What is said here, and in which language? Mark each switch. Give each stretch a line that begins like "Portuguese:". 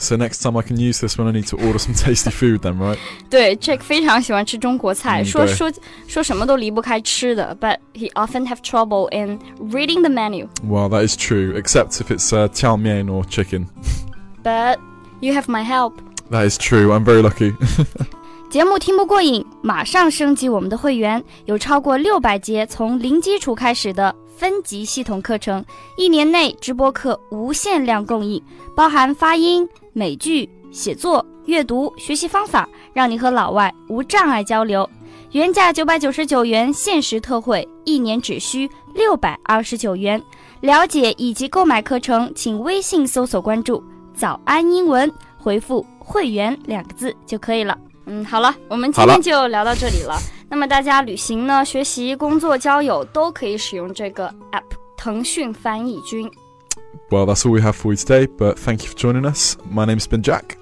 English: So next time I can use this when I need to order some tasty food then, right?
Chinese: 对 Jack 非常喜欢吃中国菜、说什么都离不开吃的
English: but he often have trouble in reading the menu. Well, that is true, except if it's 炒面or chicken. But you have my help. That is true. I'm very lucky.
Chinese: 节目听不过瘾，马上升级我们的会员，有超过600节从零基础开始的分级系统课程，一年内直播课无限量供应，包含发音、美剧、写作、阅读、学习方法，让你和老外无障碍交流。原价999元，限时特惠，一年只需629元。了解以及购买课程，请微信搜索关注。早安英文回复会员两个字就可以了好了我们今天就聊到这里了那么大家旅行呢学习工作交友都可以使用这个 app 腾讯翻译君
English: Well that's all we have for you today but thank you for joining us my name's been Jack